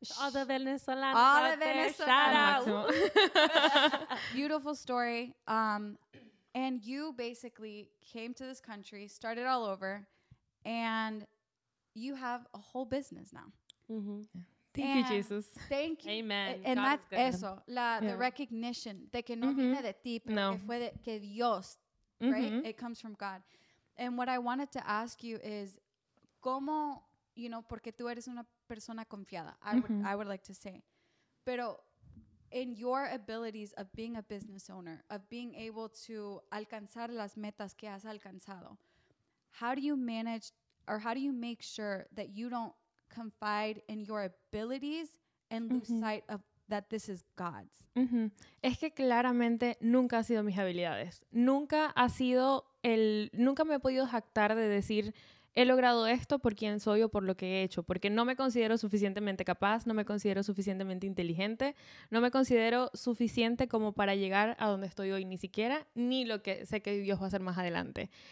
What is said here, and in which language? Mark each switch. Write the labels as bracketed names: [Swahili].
[English] all the Venezolanos. All the Venezolanos. Beautiful story. And you basically came to this country, started all over, and you have a whole business now. Thank you, Jesus. Thank you. Amen. And God, that's [Spanish] eso, [English] the recognition [Spanish] de que no viene de ti, pero que fue de que Dios, [English] right? It comes from God. And what I wanted to ask you is, [Spanish] ¿cómo, [English] you know, [Spanish] porque tú eres una persona confiada, [English] I would like to say, pero in your abilities of being a business owner, of being able to [Spanish] alcanzar las metas que has alcanzado, [English] how do you manage, or how do you make sure that you don't confide in your abilities and lose sight of that this is God's? [Spanish] Es que claramente nunca ha sido mis habilidades. Nunca ha sido el... Nunca me he podido jactar de decir he logrado esto por quién soy o por lo que he hecho. Porque no me considero suficientemente capaz, no me considero suficientemente inteligente, no me considero suficiente como para llegar a donde estoy hoy ni siquiera, ni lo que sé que Dios va a hacer más adelante.